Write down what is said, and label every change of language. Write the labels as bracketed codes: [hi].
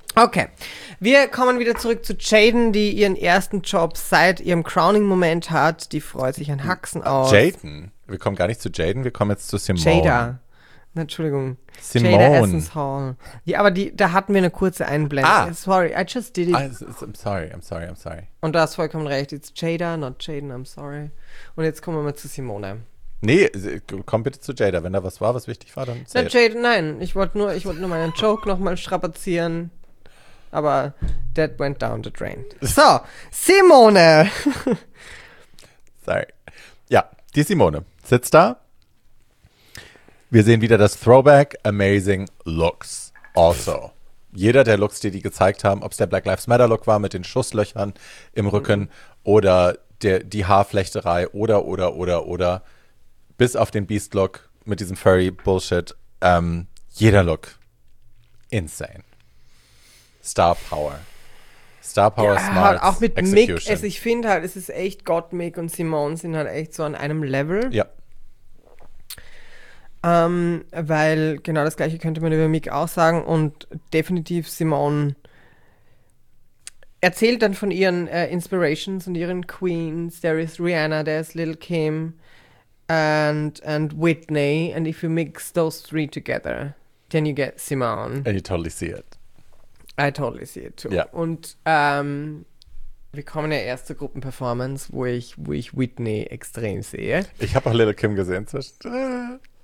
[de] Okay, wir kommen wieder zurück zu Jaden, die ihren ersten Job seit ihrem Crowning-Moment hat. Die freut sich an Haxen aus. Jaden? Wir kommen gar nicht zu Jaden, wir kommen jetzt zu Simone. Jada. Entschuldigung. Simone. Jada Essence Hall. Ja, aber da hatten wir eine kurze Einblendung. Ah. [en] Sorry, I just did it. I'm sorry. [de] Und du hast vollkommen recht. [en] It's Jada, not Jaden, I'm sorry. [de] Und jetzt kommen wir mal zu Simone. Nee, komm bitte zu Jada. Wenn da was war, was wichtig war, dann [en] say it. Jaden, nein. [de] Ich wollte nur meinen Joke nochmal strapazieren. Aber [en] that went down the drain. [de] So, Simone. Sorry. Ja, die Simone sitzt da. Wir sehen wieder das Throwback, amazing looks also. Jeder der Looks, die gezeigt haben, ob es der Black Lives Matter Look war mit den Schusslöchern im Rücken oder die Haarflechterei oder, bis auf den Beast Look mit diesem Furry Bullshit. Jeder Look, insane. Star Power, ja, smart halt auch mit [en] execution. [de] Mick, also ich finde halt, es ist echt Gott, Mick und Simone sind halt echt so an einem Level. Ja. Weil genau das Gleiche könnte man über Mick auch sagen und definitiv Simone erzählt dann von ihren Inspirations und ihren Queens. [en] There is Rihanna, there is Lil' Kim and Whitney, and if you mix those three together, then you get Simone. And you totally see it. I totally see it too. Yeah. [de] Und wir kommen ja erst zur Gruppenperformance, wo ich Whitney extrem sehe. Ich habe auch Lil' Kim gesehen zwischen.